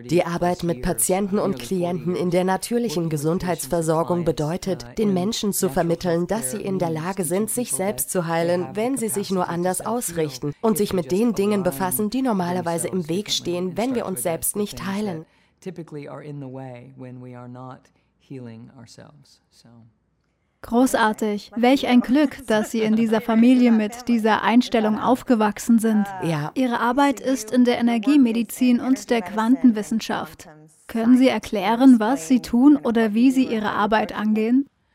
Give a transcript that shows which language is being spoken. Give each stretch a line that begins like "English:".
German: Die Arbeit mit Patienten und Klienten in der natürlichen Gesundheitsversorgung bedeutet, den Menschen zu vermitteln, dass sie in der Lage sind, sich selbst zu heilen, wenn sie sich nur anders ausrichten und sich mit den Dingen befassen, die normalerweise im Weg stehen, wenn wir uns selbst nicht heilen.
English: Typically are in the way when we are not healing ourselves. So.
German: Großartig. Welch ein Glück, dass Sie in dieser Familie mit dieser Einstellung aufgewachsen sind. Ja. Ihre Arbeit ist in der Energiemedizin und der Quantenwissenschaft. Können Sie erklären, was Sie tun oder wie Sie Ihre Arbeit angehen?